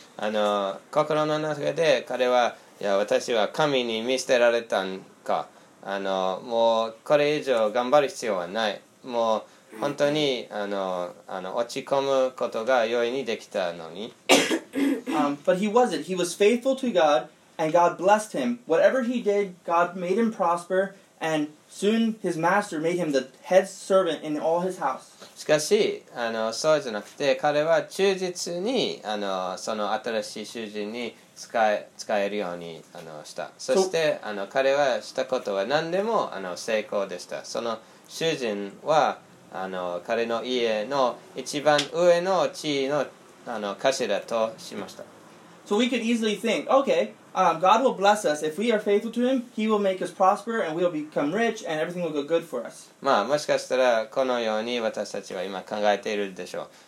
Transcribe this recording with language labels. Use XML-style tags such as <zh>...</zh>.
<ja>心の中で彼は、いや私は神に見捨てられたんか、もうこれ以上頑張る必要はない、もう本当に落ち込むことが容易にできたのに。</ja> <en>But he wasn't. He was faithful to God, and God blessed him. Whatever he did, God made him prosper, and soon his master made him the head servant in all his house.</en> <ja>しかしそうじゃなくて、彼は忠実にその新しい主人に使えるようにした。そして彼はしたことは何でも成功でした。その主人は彼の家の一番上の地位の頭としました。</ja> <en>So we could easily think, okay, God will bless us if we are faithful to Him. He will make us prosper and we will become rich and everything will go good for us.</en> <ja>まあもしかしたらこのように私たちは今考えているでしょう。</ja>